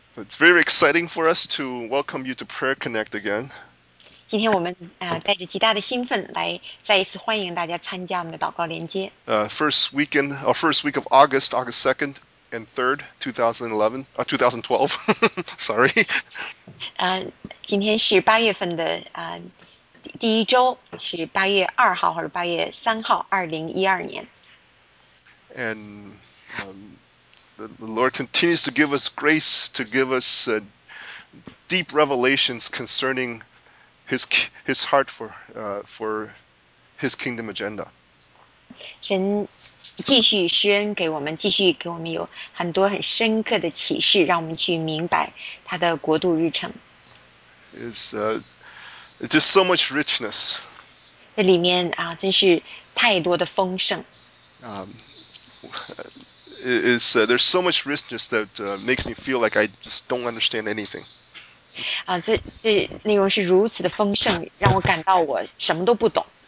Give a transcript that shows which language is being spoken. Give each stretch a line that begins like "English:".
English: It's very exciting for us to welcome you to Prayer Connect again.
Chinese: 今天我们带着极大的兴奋来再一次欢迎大家参加我们的祷告连接。
English: First week of August, August 2nd and 3rd, 2012. Sorry.
Chinese: 今天是八月份的第一周，是八月二号或者八月三号，2012年。
English: And the Lord continues to give us grace to give us deep revelations concerning His heart for His kingdom agenda.
Chinese: 神继续施恩给我们，继续给我们有很多很深刻的启示，让我们去明白他的国度日程。
English: It's just so much richness.
Chinese: 这里面真是太多的丰盛。
English: There's so much richness that makes me feel like I just don't understand anything.
Chinese: 这内容是如此的丰盛，让我感到我什么都不懂。